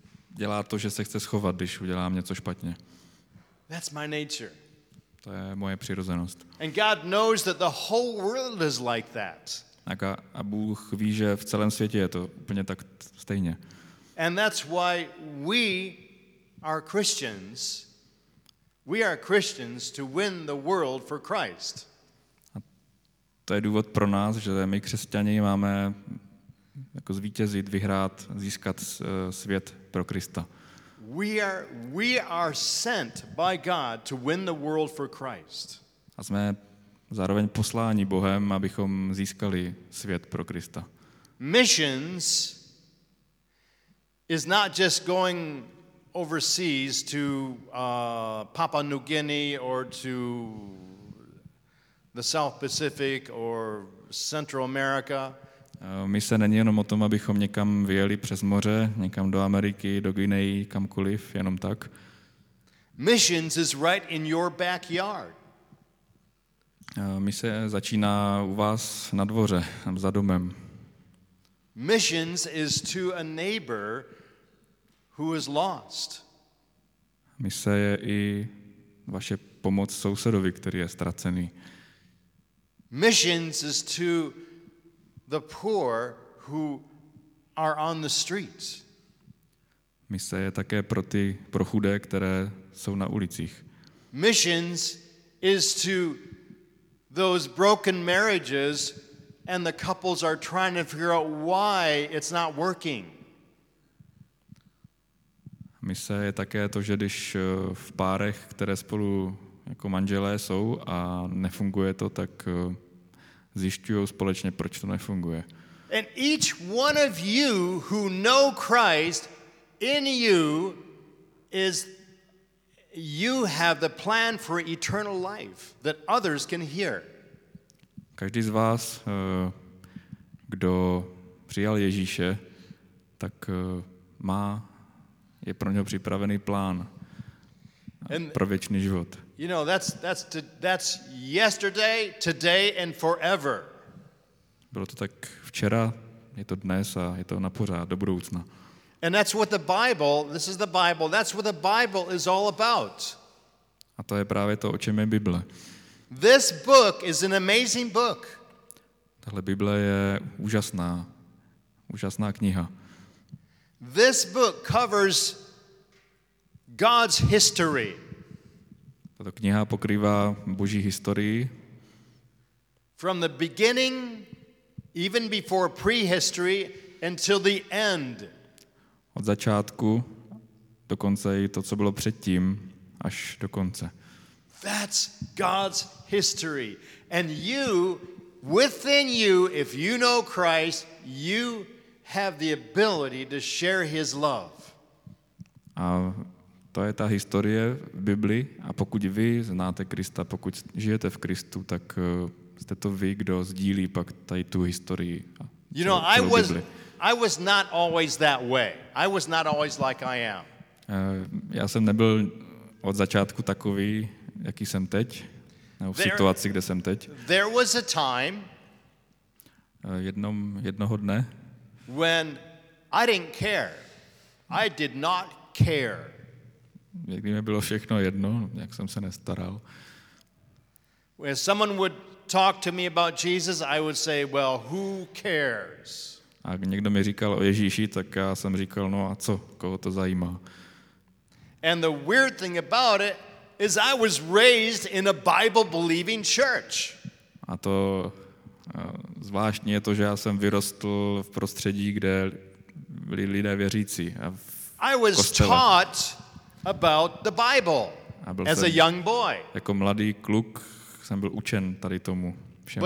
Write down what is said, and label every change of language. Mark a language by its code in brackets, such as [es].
[cs] Dělá to, že se chce schovat, když udělám něco špatně. [en] That's my nature. [cs] To je moje přirozenost. [en] And God knows that the whole world is like that. [cs] A Bůh ví, že v celém světě je to úplně tak stejně. [en] And that's why we are Christians. We are Christians to win the world for Christ. [cs] A to je důvod pro nás, že my křesťani máme jako zvítězit, vyhrát, získat svět pro Krista. [en] We are sent by God to win the world for Christ. [cs] A jsme zároveň posláni Bohem, abychom získali svět pro Krista. [en] Missions is not just going overseas to Papua New Guinea or to the South Pacific or Central America. [cs] Mise není jenom o tom, abychom někam vyjeli přes moře, někam do Ameriky, do Guineji, kamkoliv, jenom tak. [en] Missions is right in your backyard. [cs] Mise začíná u vás na dvoře, za domem. [en] Missions is to a neighbor who is lost. [cs] Mise je i vaše pomoc sousedovi, který je ztracený. [en] Missions is to the poor who are on the streets. [cs] Mise je také pro ty, pro chudé, které jsou na ulicích. [en] Missions is to those broken marriages and the couples are trying to figure out why it's not working. [cs] Mise je také to, že když v párech, které spolu jako manželé jsou a nefunguje to, tak zjišťují společně, proč to nefunguje. [en] And each one of you who know Christ in you is you have the plan for eternal life that others can hear. [cs] Každý z vás, kdo přijal Ježíše, tak má, je pro něho připravený plán pro věčný život. [en] You know, that's yesterday, today and forever. [cs] Bylo to tak včera, je to dnes a je to na pořád, do budoucna. [en] And that's what the Bible, this is the Bible, that's what the Bible is all about. [cs] A to je právě to, o čem je Bible. [en] This book is an amazing book. [cs] Tahle Bible je úžasná, úžasná kniha. [en] This book covers God's history. [cs] Tato kniha pokrývá Boží historii. [en] From the beginning, even before prehistory, until the end. Od začátku do konce i to, co bylo předtím, až do konce. That's God's history. And you, within you, if you know Christ, you have the ability to share his love. [cs] A to je ta historie v Bibli. A pokud vy znáte Krista, pokud žijete v Kristu, tak jste to vy, kdo sdílí pak tady tu historii. [en] You know, I was not always that way. I was not always like I am. [cs] Já jsem nebyl od začátku takový, jaký jsem teď, nebo v situaci, kde jsem teď. [en] There was a time [cs] jednoho dne [en] when I didn't care. I did not care. [cs] Někdy mi bylo všechno jedno, jak jsem se nestaral. [en] When someone would talk to me about Jesus, I would say, well, who cares? [cs] A někdo mi říkal o Ježíši, tak já jsem říkal, no a co, koho to zajímá? [en] And the weird thing about it is I was raised in a Bible-believing church. [cs] A to zvláštní je to, že já jsem vyrostl v prostředí, kde byli lidé věřící a v kostele. [en] I was taught about the Bible as a young boy. [cs] Jako mladý kluk jsem byl učen tady tomu všemu